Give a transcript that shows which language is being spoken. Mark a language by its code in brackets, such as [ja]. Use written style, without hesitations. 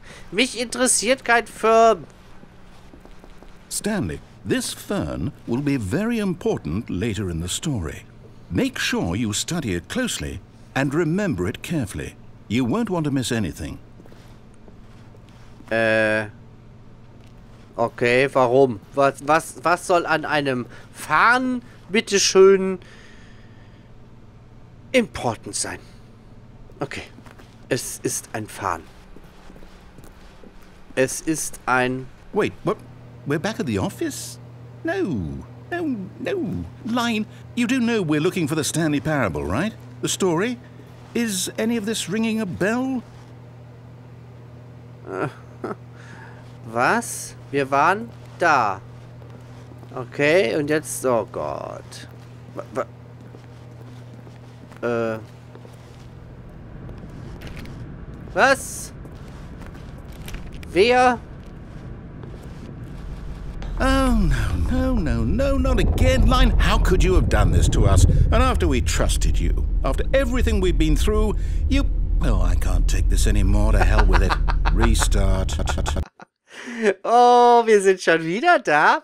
[de] Mich interessiert kein Fern. [en] Stanley, this fern will be very important later in the story. Make sure you study it closely and remember it carefully. You won't want to miss anything. [de] Okay, warum? Was soll an einem Fern, bitteschön, important sein? Okay, es ist ein Fern. Es ist ein... [en] Wait, what? We're back at the office? No, no, no. Line, you do know we're looking for the Stanley Parable, right? The story? Is any of this ringing a bell? [de] Was? Wir waren da. Okay, und jetzt... Oh Gott. Was? Wer? [en] Oh, no, no, no, no, not again. Line, how could you have done this to us? And after we trusted you, after everything we've been through, you... Oh, I can't take this anymore. To hell with it. Restart. [de] Oh, wir sind schon wieder da.